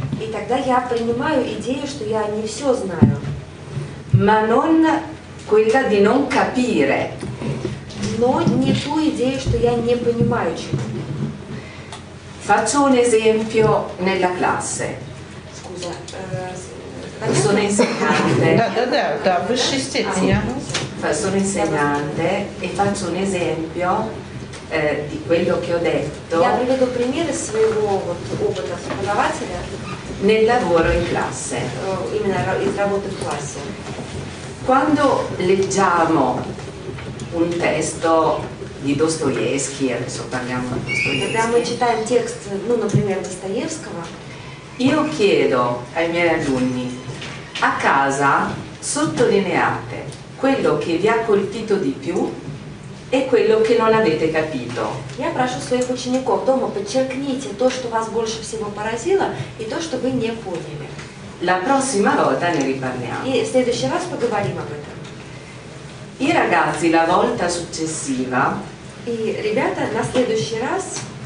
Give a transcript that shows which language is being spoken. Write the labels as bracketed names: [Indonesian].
[Russian] И тогда я принимаю идею, что я не все знаю. [Italian] Ma non quella di non capire. [Russian] Но не ту идею, что я не понимаю чего. [Italian] Faccio un esempio nella classe. Scusa. Sono insegnante. [Russian] Да, в высшей степени. [Italian] Sono insegnante e faccio un esempio di quello che ho detto. [Russian] Я приведу пример из своего опыта преподавателя. [Italian] Nel lavoro in classe. [Russian] Именно из работы в классе. [Italian] Quando leggiamo un testo di Dostoevsky, adesso parliamo di Dostoevsky. [Russian] Когда мы читаем текст, например, Достоевского. [Italian] Io chiedo ai miei alunni, a casa sottolineate quello che vi ha colpito di più e quello che non avete capito. [Russian] Я прошу своих учеников дома, подчеркните то, что вас больше всего поразило и то, что вы не поняли. [Italian] La prossima volta ne riparliamo. [Russian] И в следующий раз поговорим об этом. [Italian] I ragazzi la volta successiva. [Russian] И ребята на следующий раз